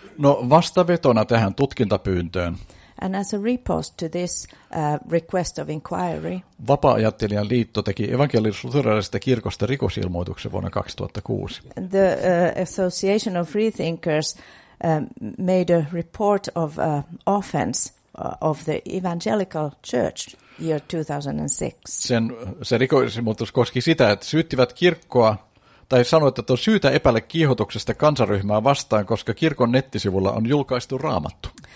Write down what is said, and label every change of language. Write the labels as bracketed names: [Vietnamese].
[Finnish] No, vastavetona tähän tutkintapyyntöön. [English] And as a repost to this request of inquiry. [Finnish] Vapaa-ajattelijan liitto teki evankelis-luterilaisesta kirkosta rikosilmoituksen vuonna 2006. [English] The Association of Freethinkers made a report of offense of the Evangelical Church year 2006. [Finnish] Sen rikosilmoitus koski sitä, että syyttivät kirkkoa tai sanoi, että on syytä epäillä kiihotuksesta kansanryhmää vastaan, koska kirkon nettisivulla on julkaistu Raamattu.